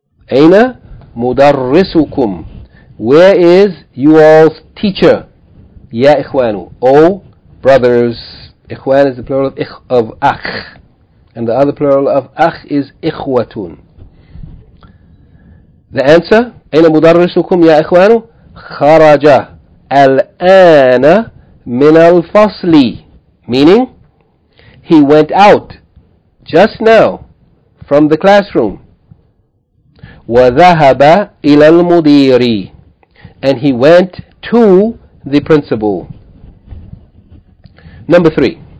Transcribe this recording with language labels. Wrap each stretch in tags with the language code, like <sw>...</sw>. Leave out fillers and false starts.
<ar>Aina mudarrisukum.</ar> <en>Where is you all's teacher?</en> <ar>Ya ikhwanu.</ar> <en>Oh, brothers. Ikhwan is the plural of akh. And the other plural of akh is ikhwatun. The answer,</en> <ar>أين مدرسكم يا إخوان؟ خرج الآن من الفصل.</ar> <en>Meaning, he went out just now from the classroom.</en> <ar>وذهب إلى المدير.</ar> <en>And he went to the principal. Number 3.</en>